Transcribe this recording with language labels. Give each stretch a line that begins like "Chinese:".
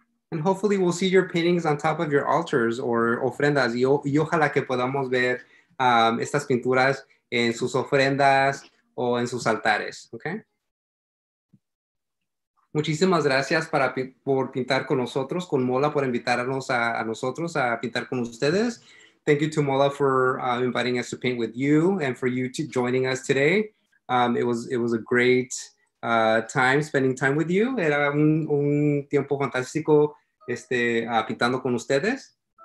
English: And hopefully we'll see your paintings on top of your altars or ofrendas.
Spanish: Y ojalá que podamos ver estas pinturas en sus ofrendas o en sus altares, okay? Muchísimas gracias por pintar con nosotros, con Mola por invitarnos a nosotros a pintar con ustedes.
English: Thank you to Mola for inviting us to paint with you and for you to joining us today. It was a great time spending time with you.
Spanish: Era un tiempo fantástico pintando con ustedes.